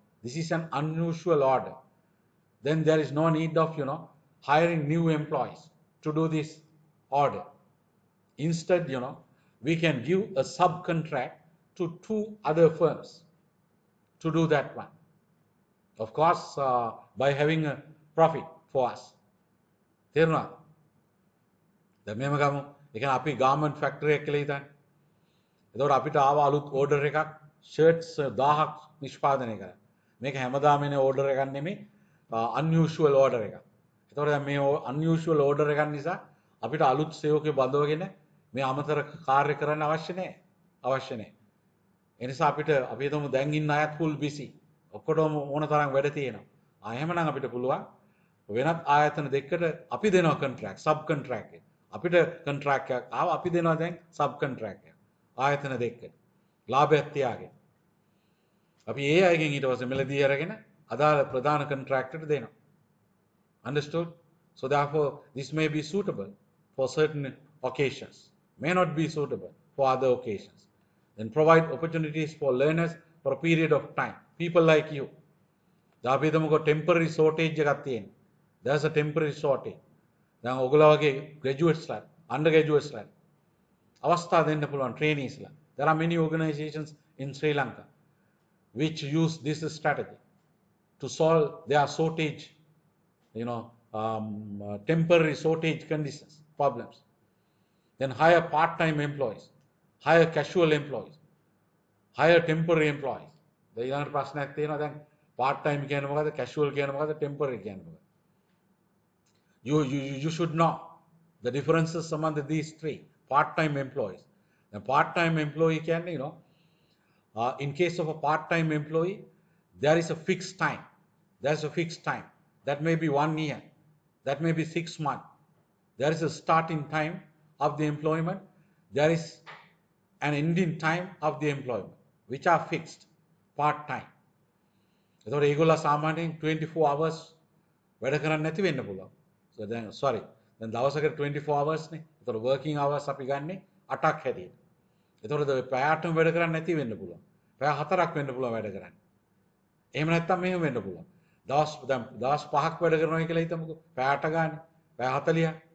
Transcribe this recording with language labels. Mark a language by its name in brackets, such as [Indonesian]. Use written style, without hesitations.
[English] This is an unusual order. Then there is no need of you know hiring new employees to do this order. Instead, you know, we can give a subcontract to two other firms to do that one. Of course, by having a profit for us. [Sinhala] තේරුණාද? දැන් මෙහෙම ගමු. ඒ කියන්නේ අපි garment factory එක කියලා හිතන්න. එතකොට අපිට ආව අලුත් order එකක් shirts 1000ක් නිෂ්පාදනය කරන්න. මේක හැමදාම එන order එකක් නෙමෙයි unusual order එකක්. එතකොට දැන් මේ unusual order එකක් නිසා අපිට අලුත් සේවකයෝ බඳවගෙන මේ අමතර කාර්ය කරන්න අවශ්‍ය නැහැ. අවශ්‍ය නැහැ. ඒ නිසා අපිට අපි හිතමු දැන් ඉන්න අයත් full busy. ඔක්කොටම ඕන තරම් වැඩ තියෙනවා. එහෙමනම් අපිට පුළුවන් වෙනත් ආයතන දෙකකට අපි දෙනවා contract, sub contract එක. අපිට contract එකක් ආවා අපි දෙනවා දැන් sub contract එක. ආයතන දෙකකට. ලාභයක් තියාගෙන. අපි ඒ අයගෙන් ඊට පස්සේ මිලදී අරගෙන අදාළ ප්‍රධාන contract එකට දෙනවා. [English] Understood? So therefore this may be suitable for certain occasions. May not be suitable for other occasions. Then provide opportunities for learners for a period of time. People like you. [Sinhala] අපි හිතමුකෝ temporary shortage එකක් තියෙන. [English] There's a temporary shortage. [Sinhala] දැන් ඔගොල්ලෝ වගේ graduatesලා, undergraduatesලා අවස්ථා දෙන්න පුළුවන් trainees-ලා. [English] There are many organizations in Sri Lanka which use this strategy to solve their shortage, you know, temporary shortage conditions, problems. Then hire part-time employees, hire casual employees, hire temporary employees. [Sinhala] ඊළඟට ප්‍රශ්නයක් තියෙනවා දැන් part time කියන්නේ මොකද්ද [English] casual කියන්නේ මොකද්ද temporary කියන්නේ මොකද්ද you should know the differences among these three part time employees the part time employee කියන්නේ you know in case of a part time employee there is a fixed time there's a fixed time that may be 1 year that may be 6 months there is a starting time of the employment there is an ending time of the employment which are fixed part time [Sinhala] එතකොට ඒගොල්ලෝ සාමාන්‍යයෙන් 24 hours වැඩ කරන්නේ නැති වෙන්න පුළුවන්. [English] So then sorry. [Sinhala] දැන් දවසකට 24 hours නේ. එතකොට working hours අපි ගන්නෙ 8ක් හැදීට. එතකොට පැයටම වැඩ කරන්නේ නැති වෙන්න පුළුවන්. පැය 4ක් වෙන්න පුළුවන් වැඩ කරන්නේ. එහෙම නැත්නම් මෙහෙම වෙන්න පුළුවන්. දවස් දැන් දවස් 5ක් වැඩ කරනවා කියලා හිතමුකෝ. පැය 8 ගන්න. පැය 40ක්.